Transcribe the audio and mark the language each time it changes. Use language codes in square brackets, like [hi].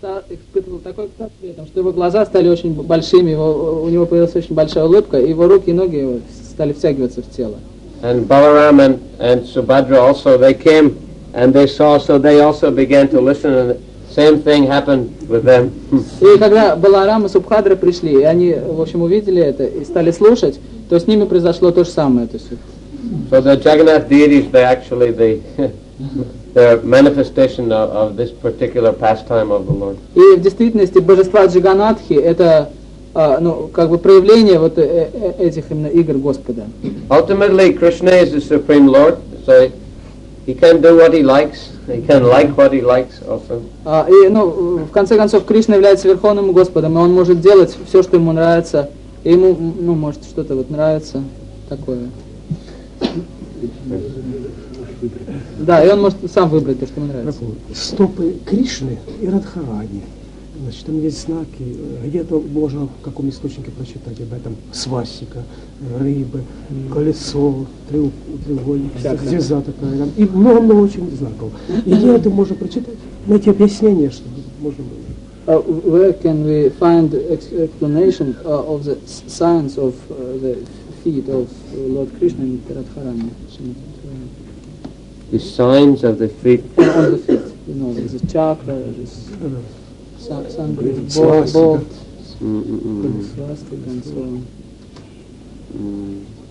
[ru] испытывал такой экстаз, что его глаза стали очень большими, у него появилась очень большая улыбка, и его руки и ноги стали втягиваться в тело. [en] And Balaram and Subhadra also, they came and they saw, so they also began to listen, and the same thing happened with them. [ru] И когда Баларам и Субхадра пришли, и они, в общем, увидели это и стали слушать, то с ними произошло то же самое. То есть. [en] So the Jagannath deities, they actually, they they're a manifestation of this particular pastime of the Lord. [ru] И в действительности божества Джаганатхи это как бы проявление вот этих именно игр Господа. [en] Ultimately, Krishna is the supreme Lord, so he can do what he likes. He can like what he likes often. [ru] И, ну, в конце концов, Кришна является Верховным Господом, и он может делать все, что ему нравится. И ему, ну, может, что-то вот нравится такое. Да, и он может сам выбрать то, что ему нравится. Стопы Кришны и Радхарани. Значит, там есть знаки, где-то можно в каком источнике прочитать об этом. Свастика, рыбы, колесо, треугольник, звезда такая. Там. И много-много очень знаков. И где это можно прочитать? Найти объяснение, что можно было. [en] Where can we find explanation of the signs of the feet of Lord Krishna in Radharani? The signs of the feet? On the feet, you know, there's a chakra, there's some bolt, swastika and so on.